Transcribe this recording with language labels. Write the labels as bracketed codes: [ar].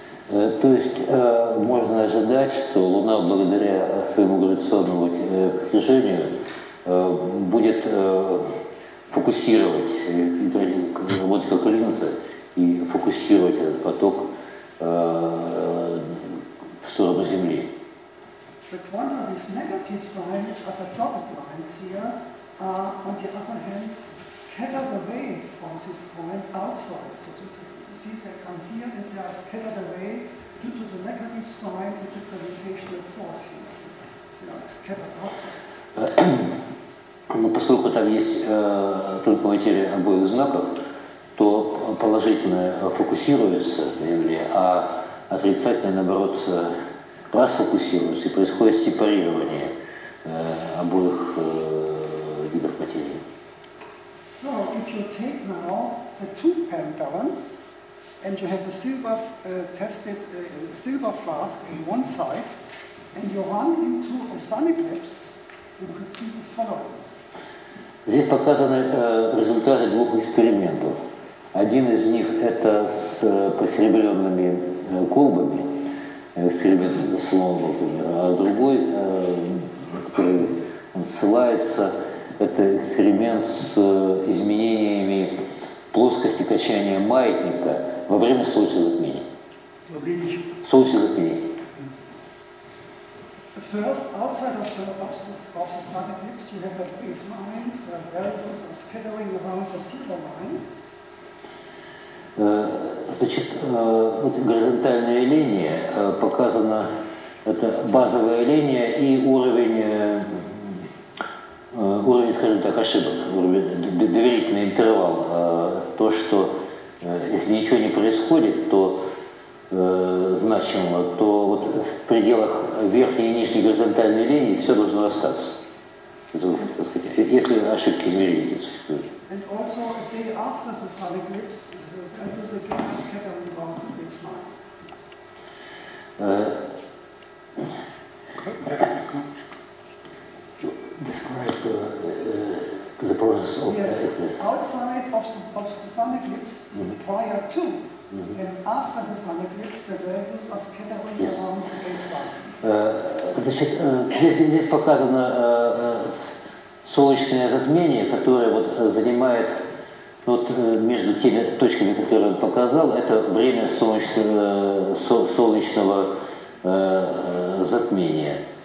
[ru] То есть можно ожидать, что Луна благодаря своему гравитационному притяжению будет фокусировать, работать как линза, и фокусировать этот поток в сторону Земли. [en] The quanta is negative sign, which are the dotted lines here, on the other hand, scattered away from this point outside. So to see they come here and they are scattered away due to the negative sign and the gravitational force here. They are scattered outside. [ru] Но поскольку там есть только материя обоих знаков, то положительное фокусируется на Земле, а отрицательное, наоборот, расфокусируется, и происходит сепарирование обоих видов материи. [en] So if you take now the two-pan balance and you have a silver tested silver flask on one side and you run into a sun eclipse, you could see the following. [ru] Здесь показаны результаты двух экспериментов. Один из них – это с посеребрёнными колбами, эксперимент с Лондоном, а другой, который он ссылается, это эксперимент с изменениями плоскости качания маятника во время солнечного затмения. Солнечного затмения. [en] First, outside of the sun eclipse, you have a baseline, so values are scattering around the silver line. [ru] Значит, вот горизонтальная линия показана, это базовая линия и уровень, скажем так, ошибок, уровень, доверительный интервал. То, что если ничего не происходит, то значимо, то вот в пределах верхней и нижней горизонтальной линии все должно остаться. Это, так сказать, если ошибки измерения не существуют. [en] And also, a day after the sun eclipse, the values again scatter around the baseline. Describe the process of eclipse. Outside of the sun eclipse, prior to and after the sun eclipse, the values are scattering around the baseline. [ru] Значит, здесь показано солнечное затмение, которое вот занимает вот между теми точками, которые он показал, это время солнечного затмения.